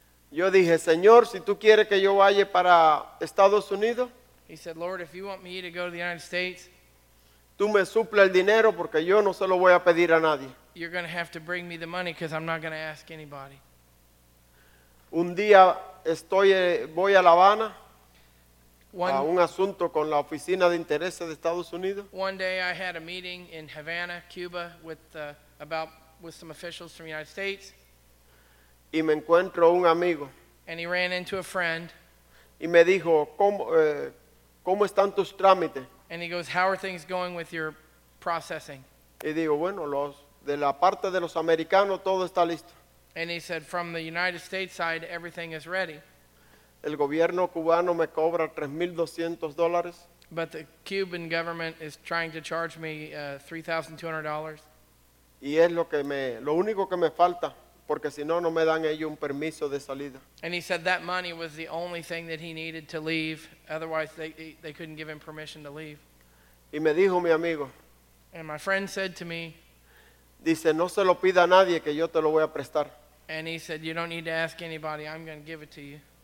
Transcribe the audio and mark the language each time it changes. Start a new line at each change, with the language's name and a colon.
Spanish: Yo dije, Señor, si tú quieres que yo vaya para Estados Unidos.
English: He said, Lord, if you want me to go to the United States.
Spanish: Tú me suple el dinero porque yo no se lo voy a pedir a nadie.
English: You're going to have to bring me the money because I'm not going to ask anybody.
Spanish: Un día voy a La Habana. A un asunto con la oficina de intereses de Estados Unidos.
English: One day I had a meeting in Havana, Cuba, with some officials from the United States.
Spanish: Y me encuentro un amigo.
English: And he ran into a friend.
Spanish: Y me dijo, ¿cómo están tus trámites?
English: And he goes, how are things going with your processing?
Spanish: Y digo, bueno, de la parte de los americanos, todo está listo.
English: And he said, from the United States side, everything is ready.
Spanish: El gobierno cubano me cobra $3,200.
English: But the Cuban government is trying to charge me $3,200.
Spanish: Y es lo único que me falta, porque si no, no me dan ellos un permiso de salida.
English: And he said that money was the only thing that he needed to leave. Otherwise, they couldn't give him permission to leave.
Spanish: Y me dijo mi amigo.
English: And my friend said to me.
Spanish: Dice, no se lo pida a nadie que yo te lo voy a prestar.
English: And he said, you don't need to ask anybody. I'm going to give it to you.